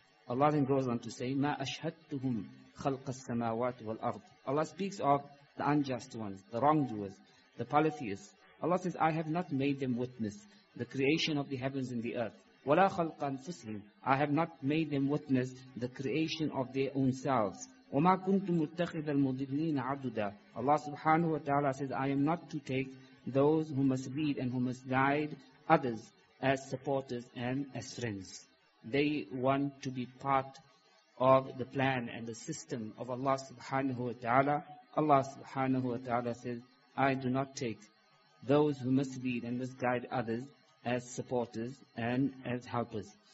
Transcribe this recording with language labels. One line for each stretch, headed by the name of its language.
English: Allah then goes on to say,
Arabic: مَا أَشْهَدْتُهُمْ خَلْقَ السَّمَاوَاتِ وَالْأَرْضِ.
English: Allah speaks of the unjust ones, the wrongdoers, the polytheists. Allah says, I have not made them witness the creation of the heavens and the earth.
Arabic: وَلَا خَلْقَ أَنفُسِهِمْ.
English: I have not made them witness the creation of their own selves.
Arabic: وما كنت متخذ المضلين عددا.
English: Allah subhanahu wa ta'ala says, I am not to take those who must lead and who must guide others as supporters and as friends. They want to be part of the plan and the system of Allah subhanahu wa ta'ala. Allah subhanahu wa ta'ala says, I do not take those who must lead and must guide others as supporters and as helpers.